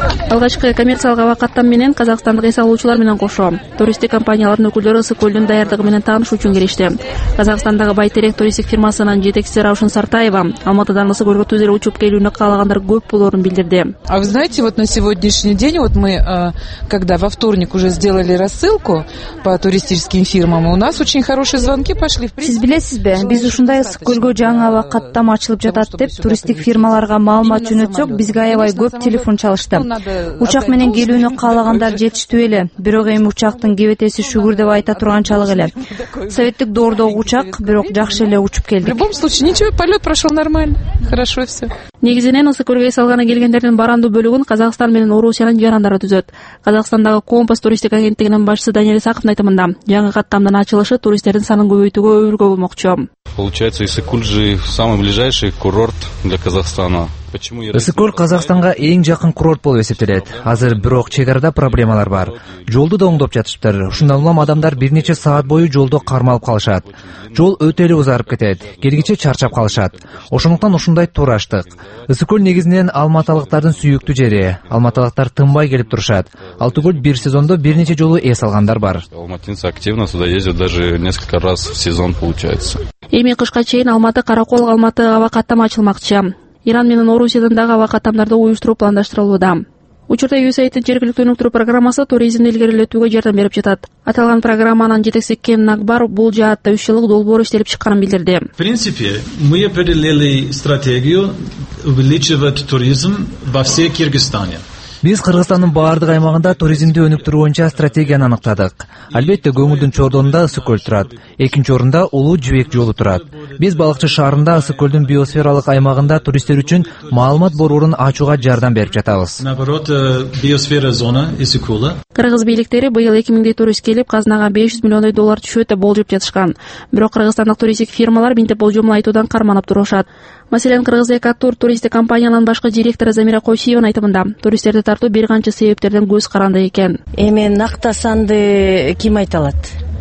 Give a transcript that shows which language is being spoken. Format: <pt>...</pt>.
<ky>Алгачкы коммерциялык аба каттам менен казакстандык эс алуучулар менен кошо туристтик компаниялардын өкүлдөрү Ысык Көлдүн даярдыгы менен таанышуу үчүн келишти. Казакстандагы Байтерек туристтик фирмасынын жетекчиси Раушан Сартаева Алматыдан Ысык Көлгө түз эле учуп келүүнү каалагандар көп болорун билдирди.</ky> <ru>А вы знаете, вот на сегодняшний день вот мы когда во вторник уже сделали рассылку по туристическим фирмам, у нас очень хорошие звонки пошли.</ru> <ky>Сиз билесизби, биз ушундай Ысык Көлгө жаңы аба каттам ачылып жатат деп туристтик фирмаларга маалымат жөнөтсөк, бизге аябай көп телефон чалышты. Учак менен келүүнү каалагандар жетиштүү эле, бирок эми учактын кебетеси шүгүр деп айта турганчалык эле. Советтик доордогу учак, бирок жакшы эле учуп келдик.</ky> <ru>В любом случае, ничего, полет прошел нормально, хорошо все.</ru> <ky>Негизинен Ысык Көлгө эс алганы келгендердин барандуу бөлүгүн Казакстан менен Орусиянын жарандары түзөт. Казакстандагы Компас туристтик агенттигинин башчысы Даниэль Исаковдун айтымында, жаңы каттамдын ачылышы туристтердин санын көбөйтүүгө өбөлгө болмокчу.</ky> <ru>Получается, Исык-Куль же самый ближайший курорт для Казахстана.</ru> <ky>Исык-Куль Казахстанга эң жакын курорт болуп эсептелет. Азыр бирок чек арада проблемалар бар. Жолду да оңдоп жатыштыр. Ушундан улам адамдар бир нече саат бою жолду кармалып калышат. Жол өтө эле узарып кетет. Келгиче чарчап калышат. Ошондуктан ушундай тураштык. Исык-Куль негизинен алматалыктардын сүйүктүү жери. Алматалыктар тынбай келип турушат. Ал түгүл бир сезондо бир нече жолу эс алгандар бар.</ky> <ru>Алматинцы активно сюда ездят даже несколько раз в сезон получается.</ru> <ky>Эми кышка чейин Алматы Каракол Алматы аба каттам ачылмакчы. Иран менен Орусиядандагы аба каттамдарды уюштуруу пландаштырылууда. Учурда USAID'ин жергиликтүү өнүктүрүү программасы туризмди илгерилетүүгө жардам берип жатат. Аталган программанын жетекчиси Кен Накбар бул жаатта 3 жылдык долбоор иштелип чыкканын билдирди.</ky> <ru>В принципе, мы определили стратегию увеличивать туризм во всей Кыргызстане.</ru> <ky>Биз Кыргызстандын баардык аймагында туризмди өнүктүрүү боюнча стратегияны аныктадык. Албетте, көңүлдүн чордонунда Исык-Көл турат. Экинчи орунда Улуу Жибек жолу турат. Биз Балыкчы шаарында Исык-Көлдүн биосфералык аймагында туристтер үчүн маалымат борборун ачууга жардам берип жатабыз.</ky> <ru>Наоборот, биосфера зона</ru> <ky>Исык-Көлү. Кыргыз бийликтери быйыл 2000 турист келип, казынага 500 миллиондой доллар түшөт деп болжоп жатышкан. Бирок кыргызстандык туристтик фирмалар мындай болжомду айтуудан карманып турушат. Маселен, Кыргыз Экотур туристтик компаниянын башкы директору Замира Койсиеванын айтымында, туристтерди тартуу бир канча себептерден көз каранды экен. Эми накта санды ким айта алат?</ky>